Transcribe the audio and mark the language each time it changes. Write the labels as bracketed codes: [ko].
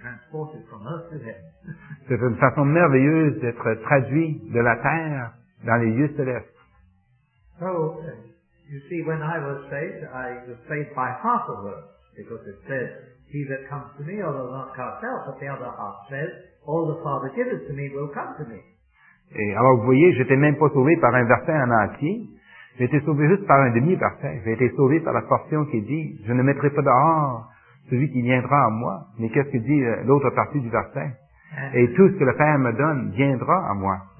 [fr] C'est une façon merveilleuse d'être traduit de la terre dans les lieux célestes. [en] So, you see, when I was saved by half a verse, because it says, he that comes to me, although not cast out, but the other half says, all the Father giveth to me will come to me. [fr] Et alors, vous voyez, j'étais même pas sauvé par un verset en entier. J'ai été sauvé juste par un demi-verset. J'ai été sauvé par la portion qui dit, je ne mettrai pas dehors celui qui viendra à moi. Mais qu'est-ce que dit l'autre partie du verset? Et tout ce que le Père me donne viendra à moi.